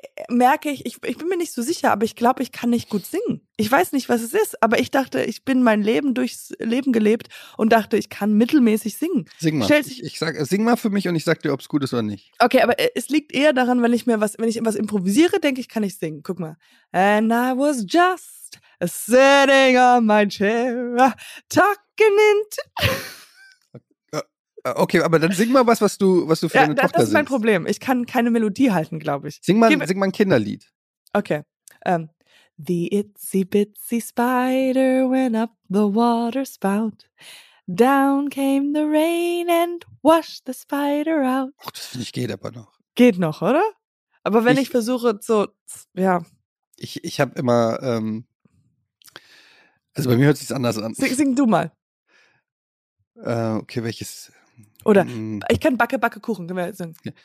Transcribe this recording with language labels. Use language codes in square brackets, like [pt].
[de] merke ich, ich bin mir nicht so sicher, aber ich glaube, ich kann nicht gut singen. Ich weiß nicht, was es ist, aber ich dachte, ich bin mein Leben durchs Leben gelebt und dachte, ich kann mittelmäßig singen. Sing mal. Sing mal für mich und ich sag dir, ob es gut ist oder nicht. Okay, aber es liegt eher daran, wenn ich etwas improvisiere, denke ich, kann ich singen. Guck mal. [en] And I was just sitting on my chair, talking into... [de] Okay, aber dann sing mal was du für deine Tochter singst. Das ist mein Problem. Ich kann keine Melodie halten, glaube ich. Sing mal ein Kinderlied. Okay. [en] The itsy bitsy spider went up the water spout. Down came the rain and washed the spider out. [de] Ach, das finde ich geht aber noch. Geht noch, oder? Aber wenn ich versuche zu, ja. Ich habe immer, also bei mir hört sich's anders an. Sing du mal. Okay, welches? Oder ich kann Backe, Backe, Kuchen. Können wir singen?